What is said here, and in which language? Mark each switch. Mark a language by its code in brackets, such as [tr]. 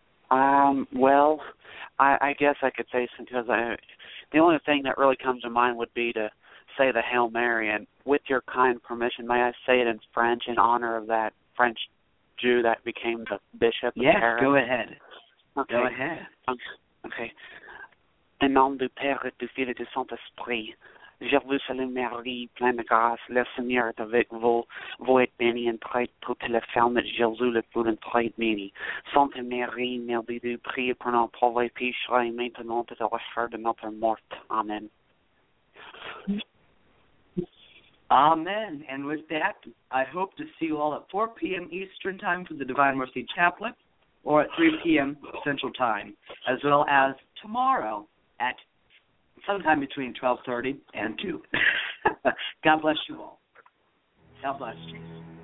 [en] Well, I guess I could say something, because the only thing that really comes to mind would be to say the Hail Mary. And with your kind permission, may I say it in French in honor of that French Jew that became the Bishop of Paris? Yes, go ahead. Okay. Go ahead. Okay. [fr] Au nom du Père et du Fils et du Saint-Esprit, je vous salue Marie, pleine de grâce, le Seigneur est avec vous. Vous êtes bénie entre toutes les femmes, Jésus le fruit entre bénie. Sainte Marie, Mère de Dieu, priez pour nos pauvres pécheurs et maintenant et à l'heure de notre mort. Amen. Amen. [en] And with that, I hope to see you all at 4 p.m. Eastern Time for the Divine Mercy Chaplet or at 3 p.m. Central Time, as well as tomorrow at sometime between 12:30 and 2. God bless you all. God bless you.